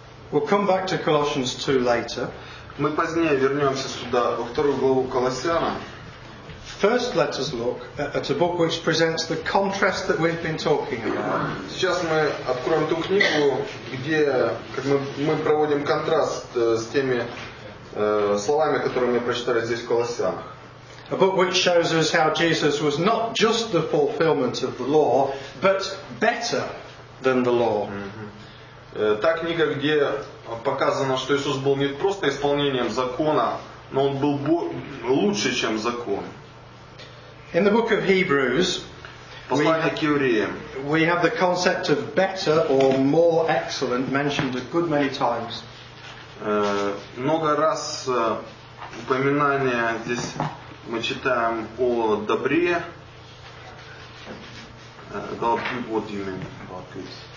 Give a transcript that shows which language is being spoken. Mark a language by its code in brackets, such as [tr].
[en] We'll come back to Colossians 2 later. [ru] Мы позднее вернемся сюда, во вторую главу Колоссянам. [en] First, let us look at a book which presents the contrast that we've been talking about. [ru] Сейчас мы откроем ту книгу, где как мы проводим контраст с теми словами, которые мы прочитали здесь в Колоссянах. [en] A book which shows us how Jesus was not just the fulfillment of the law, but better than the law. [ru] Та книга, где показано, что Иисус был не просто исполнением закона, но он был лучше, чем закон. [en] In the book of Hebrews, we have the concept of better or more excellent mentioned a good many times. [ru] Много раз упоминание здесь мы читаем о добре. [en] What do you mean about this?